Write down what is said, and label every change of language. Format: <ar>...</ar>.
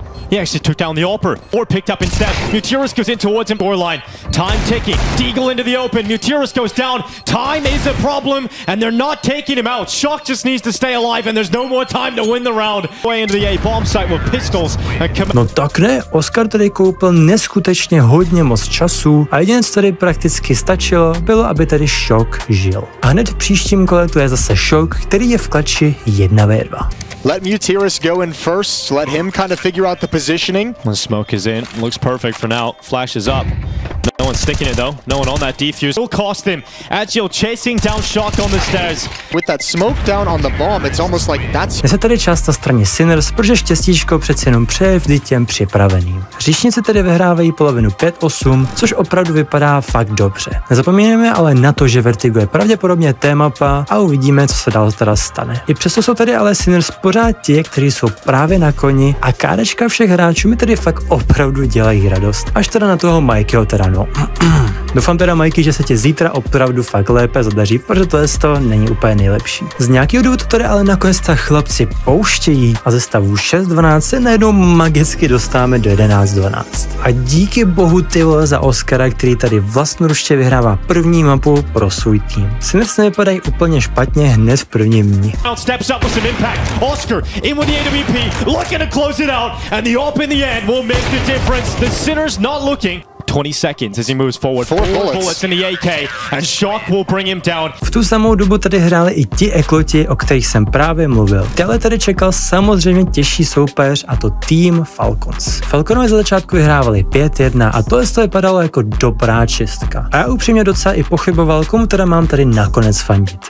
<en>He actually took down the Alper. Or picked up instead. Mutiris goes in towards him. Door line. Time ticking. Deagle into the open. Mutiris goes down. Time is a problem. And they're not taking him out. Shock just needs to stay alive. And there's no more time to win the round. Way into the A bomb site with pistols. And</en> <cs>no tak ne. Oskar tady koupil neskutečně hodně moc času. A jediné, co tady prakticky stačilo, bylo, aby tady Shock žil. A hned v příštím kole tu je zase Shock, který je v klači 1v2.</cs> <en>Let Mutiris go in first. Let him kind of figure out the positioning. When smoke is in, looks perfect for now. Flashes up. No one's sticking it though. No one on that defuse. It'll cost him. Agile chasing down Shock on the stairs. With that smoke down on the bomb, it's almost like that's...</en> <cs>Je se tady čas na straně Sinners, protože štěstíčko přeci jenom přeje vždy těm připraveným. Hříšnice tedy vyhrávají polovinu 5-8, což opravdu vypadá fakt dobře. Nezapomínáme ale na to, že Vertigo je pravděpodobně T-mapa a uvidíme, co se dál teda stane. I přesto jsou tady ale Sinners pořád ti, kteří jsou právě na koni a kádečka všech hráčů mi tedy fakt opravdu dělají radost. Až teda na toho Mikeyho teda no. Doufám teda Mikey, že se ti zítra opravdu fakt lépe zadaří, protože tohle z toho není úplně nejlepší. Z nějakého důvodu tady ale nakonec ta chlapci pouštějí a ze stavu 6-12 se najednou magicky dostáváme do 11-12. A díky bohu ty vole za Oscara, který tady vlastnoruště vyhrává první mapu pro svůj tým. Sinners nevypadají úplně špatně hned v prvním dní.</cs> <en>Oscar in with the AWP, looking to close it out, and the AWP in the end will make the difference. The Sinners not looking. 20 seconds as he moves forward. Four bullets in the AK, and Shock will bring him down.</en> <cs>V tu samou dobu tady hráli i ti Ekloti, o kterých jsem právě mluvil. Tehle tady čekal samozřejmě těžší soupeř, a to tým Falcons. Falconové za začátku vyhrávali 5-1 a tohle z toho vypadalo jako dobrá čistka. A já upřímně docela i pochyboval, komu teda mám tady nakonec fandit.</cs>